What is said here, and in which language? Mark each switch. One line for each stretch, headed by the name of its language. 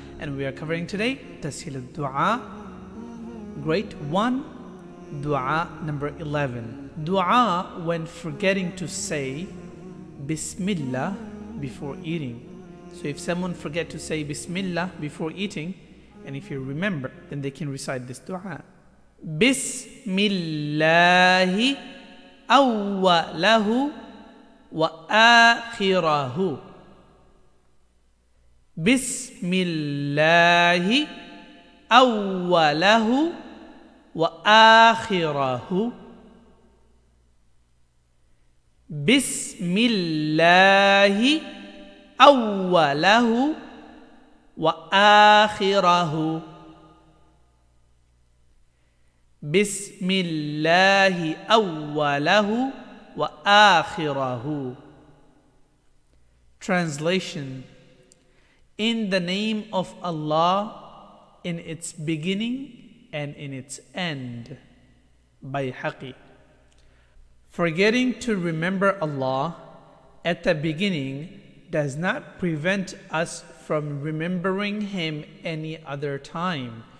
English: And we are covering today tashil ad-du'a, great one, du'a number 11. Du'a when forgetting to say bismillah before eating. So if someone forget to say bismillah before eating, and if you remember, then they can recite this du'a.
Arabic: بسم الله أوله وآخره بسم الله أوله وآخره بسم الله أوله وآخره بسم الله أوله وآخره.
English: Translation: In the name of Allah, in its beginning and in its end. Bayhaqi. Forgetting to remember Allah at the beginning does not prevent us from remembering Him any other time.